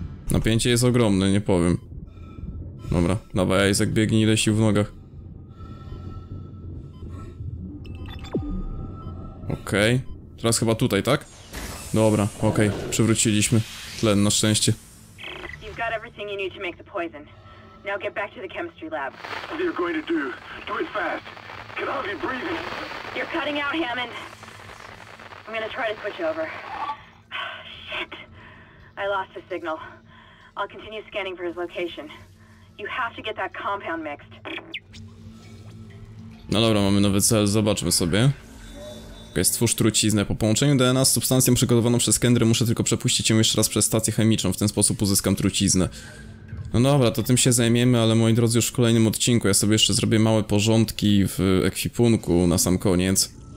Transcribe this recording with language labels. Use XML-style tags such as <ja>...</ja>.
<pl>Napięcie jest ogromne, nie powiem. Dobra, dawaj, Isaac, biegnij, ile sił w nogach. Okej. Okay. Teraz chyba tutaj, tak? Dobra, okej, okay. Przywróciliśmy tlen, na szczęście.</pl> <en>You've got everything you need to make the poison. Now get back to the chemistry lab. What are you going to do? Do it fast. Can I be breathing? You're cutting out, Hammond. I'm gonna try to switch over. Shit. I lost the signal. I'll continue scanning for his location. You have to get that compound mixed.</en> <pl>No dobra, mamy nowy cel, zobaczmy sobie. Okej, stwórz truciznę. Po połączeniu DNA z substancją przygotowaną przez Kendry muszę tylko przepuścić ją jeszcze raz przez stację chemiczną. W ten sposób uzyskam truciznę. No dobra, to tym się zajmiemy, ale moi drodzy, już w kolejnym odcinku. Ja sobie jeszcze zrobię małe porządki w ekwipunku na sam koniec.</pl>